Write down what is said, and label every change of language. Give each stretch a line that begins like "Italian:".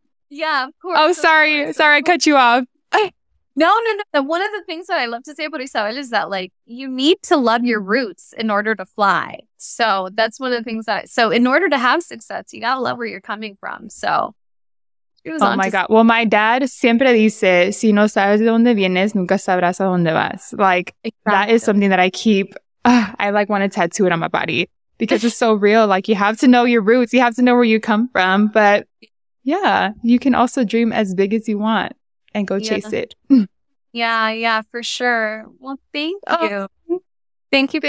English: Yeah, of course. Oh, sorry. Course. Sorry, I cut you off. No. One of the things that I love to say about Isabel is that, like, you need to love your roots in order to fly. So that's one of the things that, so in order to have success, you got to love where you're coming from. So it was God. Well, my dad
Spanish: siempre dice, si no sabes de dónde vienes, nunca sabrás a dónde vas.
English: Like, exactly. That is something that I keep, want to tattoo it on my body. Because it's so real. Like, you have to know your roots. You have to know where you come from. But yeah, you can also dream as big as you want and go chase it. Yeah, for sure. Well, thank you. Thank you for